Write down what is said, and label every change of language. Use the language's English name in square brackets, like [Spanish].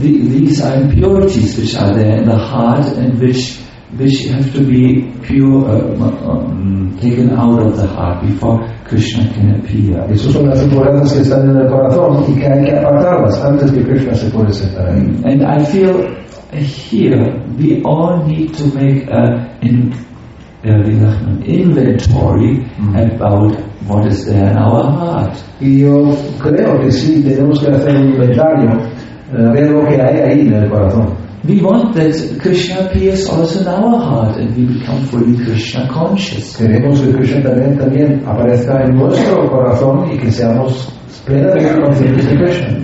[English] These are impurities which are there in the heart and which have to be pure, taken out of the heart before Krishna can appear. [Spanish] Esos son las impurezas que están en el corazón y que hay que apartarlas antes que Krishna se pueda sentar ahí. [English] And I feel here we all need to make an inventory about what is there in our heart. [Spanish] Y yo creo que sí, tenemos que hacer un inventario de lo que hay ahí en el corazón. [English] We want that Krishna appears also in our heart and we become fully Krishna conscious. [Spanish] Queremos que Krishna también aparezca en nuestro corazón y que seamos plenamente conscientes de Krishna.